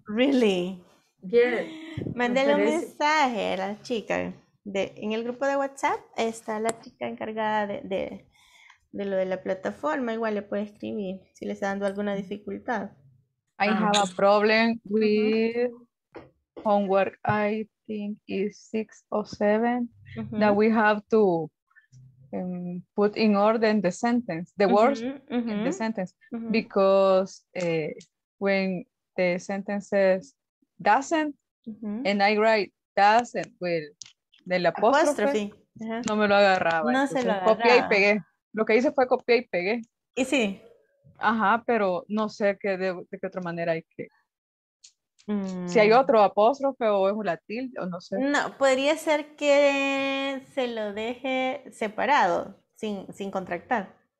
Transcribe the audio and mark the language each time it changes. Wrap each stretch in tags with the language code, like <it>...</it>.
<en>Really?</en> <es>Bien. Mándale un mensaje a la chica. En el grupo de WhatsApp está la chica encargada de lo de la plataforma. Igual le puede escribir si le está dando alguna dificultad.</es> <en>I have a problem with homework. I think it's 6 or 7 that we have to put in order the sentence, the words in the sentence. Mm-hmm. Because when the sentence says doesn't, and I write doesn't with the apostrophe,</en> <es>no me lo agarraba. No se lo agarraba. Copié y pegué. Lo que hice fue copié y pegué. Y sí. Ajá, pero no sé qué de qué otra manera hay que Si hay otro apóstrofe o es un latil, o no sé. No, podría ser que se lo deje separado, sin contractar.</es>